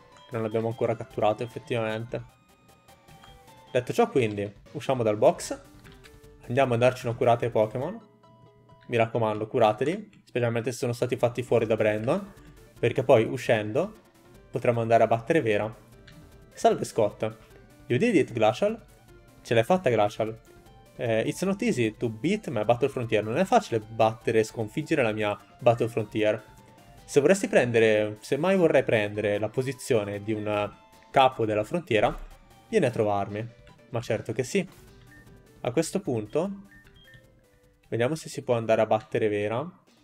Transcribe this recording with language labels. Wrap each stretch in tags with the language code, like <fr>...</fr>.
<it>Non l'abbiamo ancora catturato effettivamente. Detto ciò, quindi usciamo dal box. Andiamo a darci una curata ai Pokémon. mi raccomando, curateli, specialmente se sono stati fatti fuori da Brandon, perché poi uscendo potremmo andare a battere Vera. Salve Scott,</it> <en>you did it,</en> <it>Glacial? Ce l'hai fatta, Glacial.</it> <en>It's not easy to beat my Battle Frontier.</en> <it>Non è facile battere e sconfiggere la mia Battle Frontier. Se vorresti prendere, se mai vorrei prendere la posizione di un capo della frontiera, vieni a trovarmi. Ma certo che sì. A questo punto, vediamo se si può andare a battere Vera.</it>